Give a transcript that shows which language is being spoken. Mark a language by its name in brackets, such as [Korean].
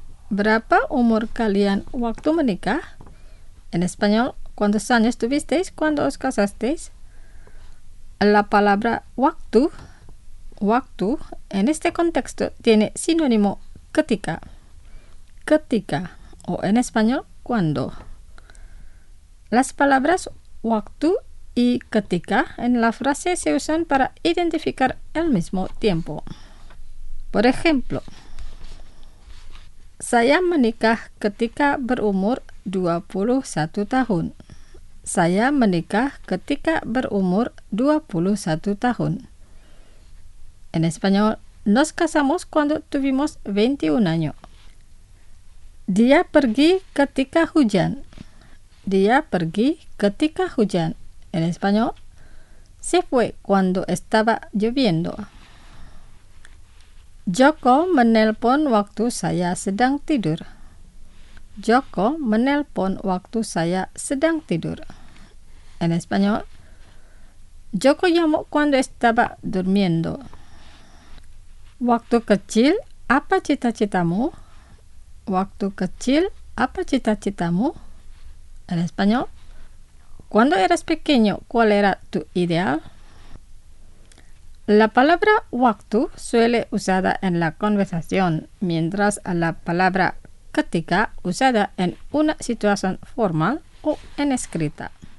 [Indonesian] ¿Berapa umur kalian waktu menikah? [Spanish] En español, ¿cuántos años tuvisteis cuando os casasteis? La palabra waktu, waktu, en este contexto tiene sinónimo ketika. Ketika, o en español, cuando. Las palabras waktu y ketika en la frase se usan para identificar el mismo tiempo. Por ejemplo, [Indonesian] saya menikah ketika berumur 21 tahun. Saya menikah ketika berumur 21 tahun. [Spanish] En español, nos casamos cuando tuvimos 21 años. [Indonesian] Dia pergi ketika hujan. Dia pergi ketika hujan. [Spanish] En español, se fue cuando estaba lloviendo. [Indonesian] Joko menelpon waktu saya sedang tidur. Joko menelpon waktu saya sedang tidur. [Spanish] En español, Joko llamó cuando estaba durmiendo. [Indonesian] Waktu kecil, apa cita-citamu? Waktu kecil, apa cita-citamu? [Spanish] En español, cuando eras pequeño, ¿cuál era tu ideal? La palabra waktu suele usada en la conversación, mientras la palabra ketika usada en una situación formal o en escrita.